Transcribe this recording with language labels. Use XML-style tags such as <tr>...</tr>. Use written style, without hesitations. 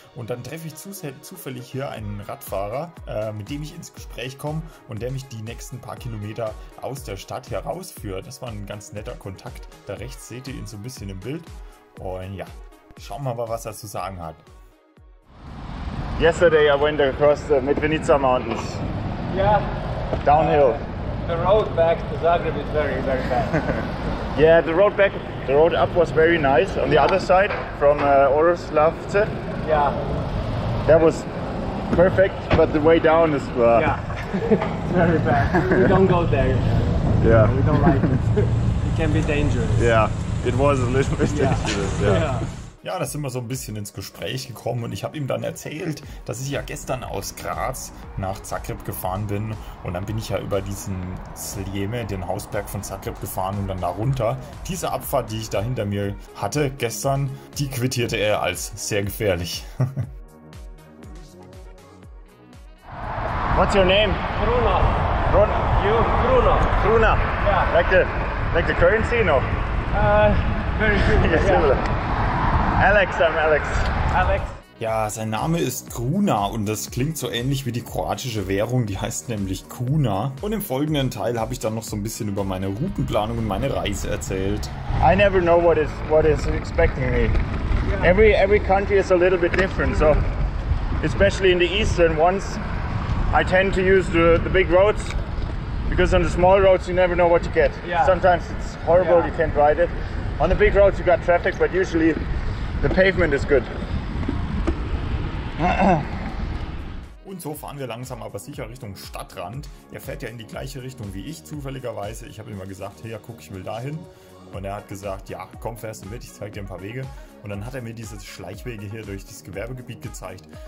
<de>Und dann treffe ich zufällig hier einen Radfahrer, mit dem ich ins Gespräch komme und der mich die nächsten paar Kilometer aus der Stadt herausführt. Das war ein ganz netter Kontakt. Da rechts seht ihr ihn so ein bisschen im Bild. Und ja. Schauen wir mal, was er zu sagen hat.</de> <en>Yesterday I went across the Medvednica Mountains. Yeah. Downhill. The road back to Zagreb is very, very bad. Yeah, the road up was very nice. On the other side, from Oroslavce. Yeah. That was perfect, but the way down is bad. Yeah, it's very bad. We don't go there. Yeah. We don't like it. It can be dangerous. Yeah, it was a little bit dangerous. Yeah.</en> <de>Ja, da sind wir so ein bisschen ins Gespräch gekommen und ich habe ihm dann erzählt, dass ich ja gestern aus Graz nach Zagreb gefahren bin und dann bin ich ja über diesen Sljeme, den Hausberg von Zagreb gefahren und dann da runter. Diese Abfahrt, die ich da hinter mir hatte gestern, die quittierte er als sehr gefährlich.</de> <en>What's your name? Kruna. You? Kruna. Kruna? Yeah. Like the currency, no? Very similar. Alex.</en> <de>Ja, sein Name ist Kruna und das klingt so ähnlich wie die kroatische Währung, die heißt nämlich Kuna. Und im folgenden Teil habe ich dann noch so ein bisschen über meine Routenplanung und meine Reise erzählt.</de> <en>I never know what is expecting me. Yeah. Every country is a little bit different, so especially in the eastern ones, I tend to use the big roads, because on the small roads you never know what you get. Yeah. Sometimes it's horrible, yeah. You can't ride it. On the big roads you got traffic, but usually the pavement is good.</en> <de>Und so fahren wir langsam aber sicher Richtung Stadtrand. Er fährt ja in die gleiche Richtung wie ich zufälligerweise. Ich habe ihm mal gesagt, hey, ja, guck, ich will dahin. Und er hat gesagt, ja, komm, fährst du mit, ich zeig dir ein paar Wege. Und dann hat er mir diese Schleichwege hier durch das Gewerbegebiet gezeigt.</de>